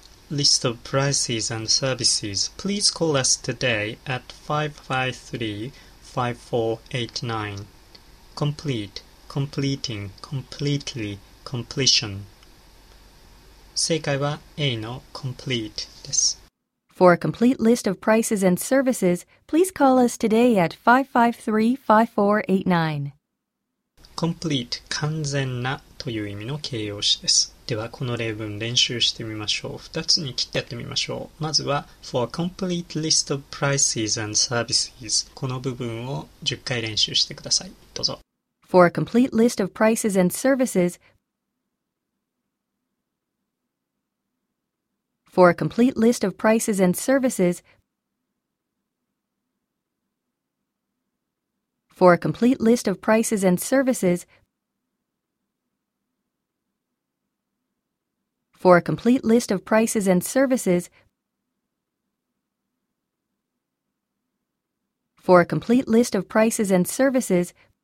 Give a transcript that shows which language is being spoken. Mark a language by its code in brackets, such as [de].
[en] List of prices and services. Please call us today at 553-5489. Complete, completing, completely, completion. [ja] 正解は A の complete です。 [en] For a complete list of prices and services, please call us today at 553-5489. [ja] Complete 完全なという意味の形容詞です。ではこの例文練習してみましょう。2つに切ってやってみましょう。まずは [en] For a complete list of prices and services [ja] この部分を10回練習してください。どうぞ。 [en] For a complete list of prices and services For a complete list of prices and servicesFor a complete list of prices and services, for a complete list of prices and services, for a complete list of prices and services,